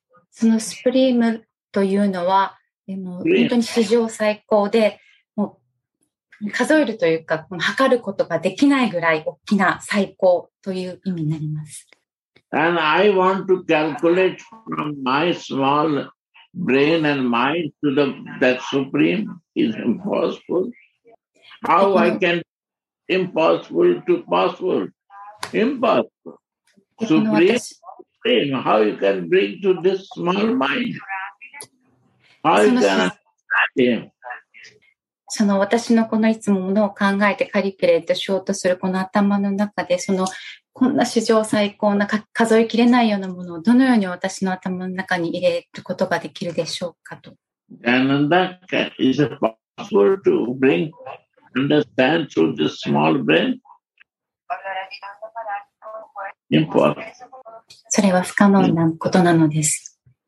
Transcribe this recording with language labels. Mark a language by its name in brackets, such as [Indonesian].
[Japanese] So, supreme というのは、もう本当に史上最高で、もう数えるというか、測ることができないぐらい大きな最高という意味になります。 [English] And I want to calculate from my small brain and mind to that supreme is impossible. How I can impossible to possible? Impossible. Supreme, how you can bring to this small mind? How you can understand him? [Japanese] その私のこのいつもものを考えてカリキュレートしようとするこの頭の中で、そのこんな史上最高な数えきれないようなものをどのように私の頭の中に入れることができるでしょうかと。 [English] And that is possible to bring understand through the small brain? Impossible. [Japanese] それは不可能なことなのです。